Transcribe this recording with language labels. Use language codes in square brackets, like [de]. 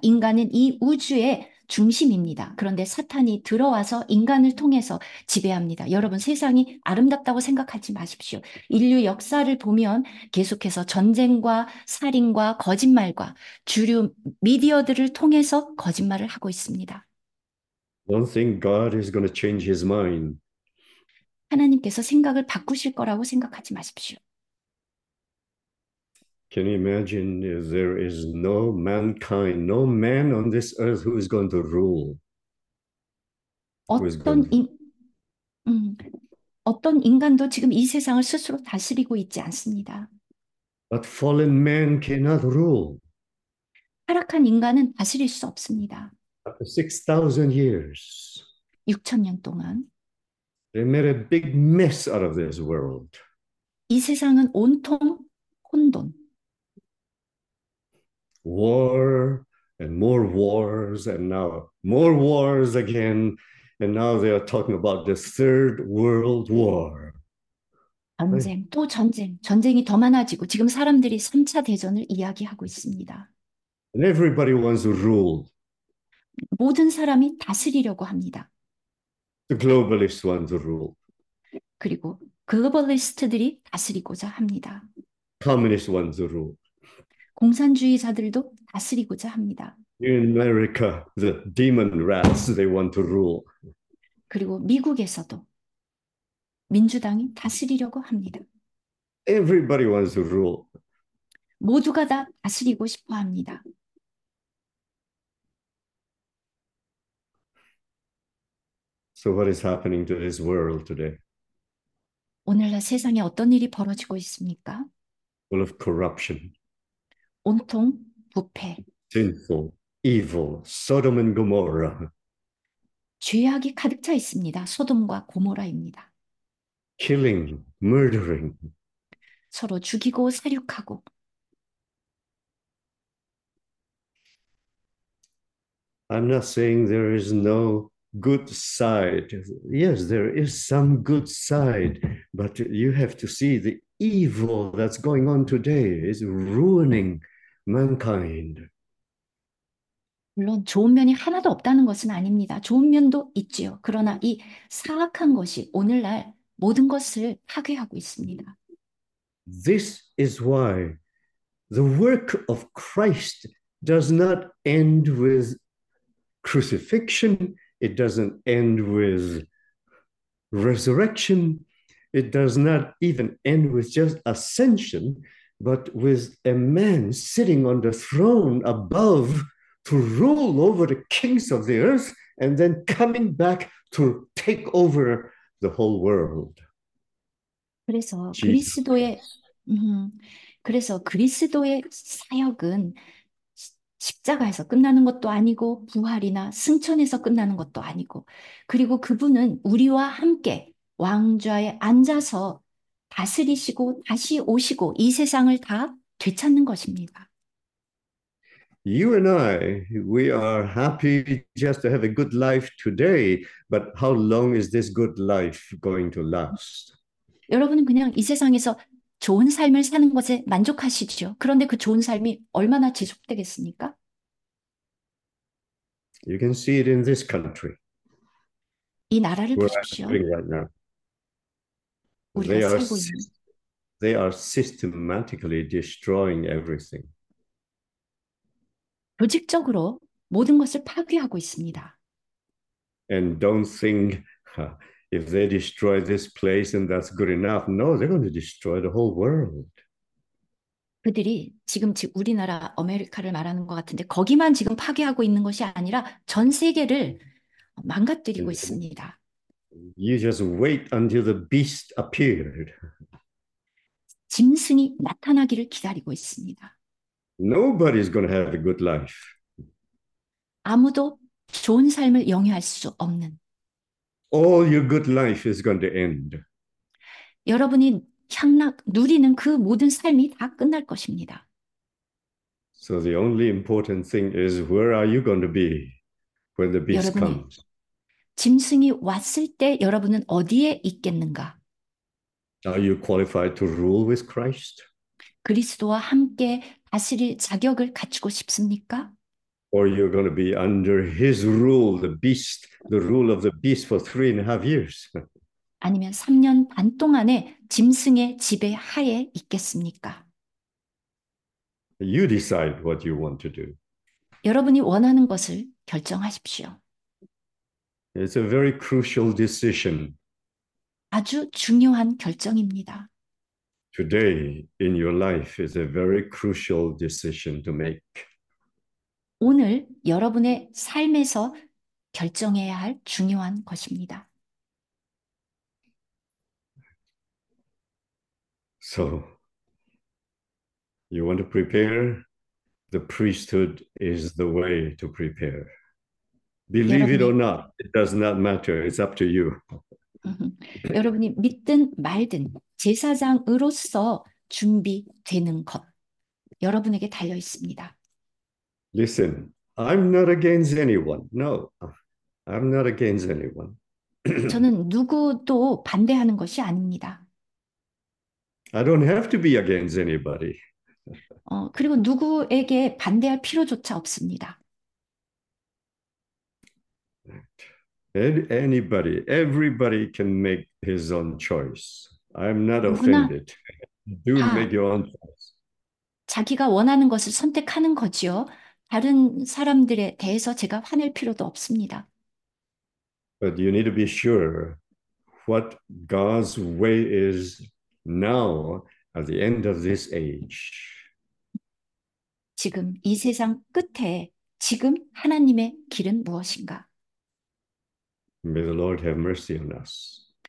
[ko] 인간은 이 우주의 중심입니다. 그런데 사탄이 들어와서 인간을 통해서 지배합니다. 여러분, 세상이 아름답다고 생각하지 마십시오. 인류 역사를 보면 계속해서 전쟁과 살인과 거짓말과 주류 미디어들을 통해서 거짓말을 하고 있습니다. [en] Don't think God is going to change his mind. [ko] 하나님께서 생각을 바꾸실 거라고 생각하지 마십시오. [en] Can you imagine if there is no mankind, no man on this earth who is going to rule? Who is going to? [ko] 어떤 인간도 지금 이 세상을 스스로 다스리고 있지 않습니다. [en] But fallen man cannot rule. [ko] 타락한 인간은 다스릴 수 없습니다. [en] After 6,000 years, [ko] 6천년 동안. [en] they made a big mess out of this world. [ko] 이 세상은 온통 혼돈. [en] War and more wars, and now more wars again, and now they are talking about the Third World War. [ko] 네. 전쟁, 또 전쟁, 전쟁이 더 많아지고 지금 사람들이 3차 대전을 이야기하고 있습니다. [en] And everybody wants to rule. [ko] 모든 사람이 다스리려고 합니다. [en] The globalists want to rule. [ko] 그리고 글로벌리스트들이 다스리고자 합니다. [en] Communists want to rule. [ko] 공산주의자들도 다스리고자 합니다. [en] In America, the demon rats, they want to rule. [ko] 그리고 미국에서도 민주당이 다스리려고 합니다. [en] Everybody wants to rule. [ko] 모두가 다 다스리고 싶어 합니다. [en] So what is happening to this world today? [ko] 오늘날 세상에 어떤 일이 벌어지고 있습니까? [en] Full of corruption, [ko] 온통 부패. [en] sinful, evil, Sodom and Gomorrah, [ko] 죄악이 가득 차 있습니다. 소돔과 고모라입니다. [en] killing, murdering. [ko] 서로 죽이고 살육하고. [en] I'm not saying there is no good side. Yes, there is some good side, but you have to see the evil that's going on today is ruining mankind. [ko] 물론 좋은 면이 하나도 없다는 것은 아닙니다. 좋은 면도 있지요. 그러나 이 사악한 것이 오늘날 모든 것을 파괴하고 있습니다. [en] This is why the work of Christ does not end with crucifixion. It doesn't end with resurrection, it does not even end with just ascension, but with a man sitting on the throne above to rule over the kings of the earth and then coming back to take over the whole world. [ko] 그래서 [en] Jesus Christ. [ko] 그래서 그리스도의 사역은 십자가에서 끝나는 것도 아니고 부활이나 승천에서 끝나는 것도 아니고 그리고 그분은 우리와 함께 왕좌에 앉아서 다스리시고 다시 오시고 이 세상을 다 되찾는 것입니다. [en] You and I, we are happy just to have a good life today, but how long is this good life going to last? [ko] 여러분은 그냥 이 세상에서 좋은 삶을 사는 것에 만족하시죠. 그런데 그 좋은 삶이 얼마나 지속되겠습니까? [en] You can see it in this country, [ko] 이 나라를 [en] where I'm [ko] 보십시오. [en] living right now. [ko] 우리가 살고 있는. [en] They are systematically destroying everything. [ko] 조직적으로 모든 것을 파괴하고 있습니다. [en] And don't think if they destroy this place and that's good enough. No, they're going to destroy the whole world. [ko] 그들이 지금 우리나라 아메리카를 말하는 것 같은데 거기만 지금 파괴하고 있는 것이 아니라 전 세계를 망가뜨리고 있습니다. [en] You just wait until the beast appeared. [ko] 짐승이 나타나기를 기다리고 있습니다. [en] Nobody's going to have a good life. [ko] 아무도 좋은 삶을 영위할 수 없는 [en] All your good life is going to end. [ko] 여러분이 향락 누리는 그 모든 삶이 다 끝날 것입니다. [en] So the only important thing is where are you going to be when the beast [ko] 여러분이 [en] comes? [ko] 짐승이 왔을 때 여러분은 어디에 있겠는가? [en] Are you qualified to rule with Christ? [ko] 그리스도와 함께 다스릴 자격을 갖추고 싶습니까? [en] Or you're going to be under his rule, the beast, the rule of the beast for 3.5 years. [ko] 아니면 3년 반 동안에 짐승의 지배 하에 있겠습니까? [en] You decide what you want to do. [ko] 여러분이 원하는 것을 결정하십시오. [en] It's a very crucial decision. [ko] 아주 중요한 결정입니다. [en] Today in your life is a very crucial decision to make. [ko] 오늘 여러분의 삶에서 결정해야 할 중요한 것입니다. [en] So, you want to prepare? The priesthood is the way to prepare. Believe it or not, it does not matter. It's up to you. [ko] 여러분이 믿든 말든 제사장으로서 준비되는 것, 여러분에게 달려 있습니다. [en] Listen, I'm not against anyone. No, I'm not against anyone. [ko] 저는 누구도 반대하는 것이 아닙니다. [en] I don't have to be against anybody. [ko] 그리고 누구에게 반대할 필요조차 없습니다. [en] Anybody, everybody can make his own choice. I'm not [ko] 누구나 [en] offended. Do make [ko] 다 [en] your own choice. [ko] 자기가 원하는 것을 선택하는 거지요. 다른 사람들에 대해서 제가 화낼 필요도 없습니다. [en] But you need to be sure what God's way is now at the end of this age. [ko] 지금 이 세상 끝에 지금 하나님의 길은 무엇인가? [en] May the Lord have mercy on us.